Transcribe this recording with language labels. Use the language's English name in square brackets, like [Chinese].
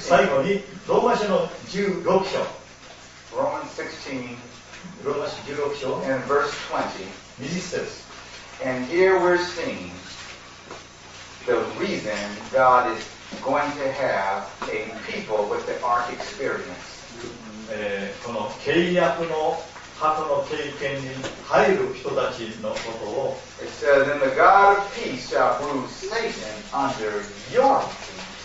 [Japanese] 最後に、ローマ書の16章。 [English] Romans 16. [Japanese] ローマ書16章。 [English] And verse 20. 20 says. And here we're seeing the reason God is going to have a people with the ark experience. [Japanese] この契約の鳩の経験に入る人たちのことを、 [English] It says, and the God of peace shall bruise Satan under your feet.